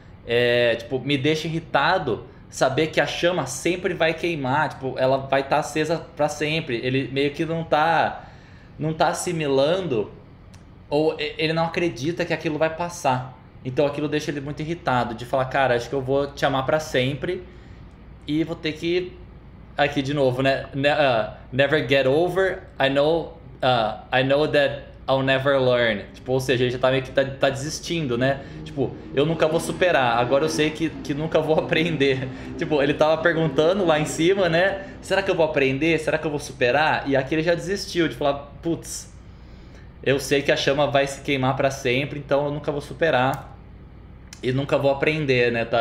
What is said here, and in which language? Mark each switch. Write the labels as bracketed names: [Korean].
[Portuguese] É, tipo, me deixa irritado saber que a chama sempre vai queimar, tipo, ela vai estar tá acesa para sempre. Ele meio que não tá assimilando, ou ele não acredita que aquilo vai passar. Então aquilo deixa ele muito irritado, de falar: "Cara, acho que eu vou te amar para sempre e vou ter que aqui de novo, né? [English] Never get over. I know that I'll never learn." [Portuguese] Tipo, ou seja, ele já tá meio que tá desistindo, né? Tipo, eu nunca vou superar. Agora eu sei que nunca vou aprender. Tipo, ele tava perguntando lá em cima, né? Será que eu vou aprender? Será que eu vou superar? E aqui ele já desistiu de falar: "Putz, eu sei que a chama vai se queimar para sempre, então eu nunca vou superar e nunca vou aprender", né?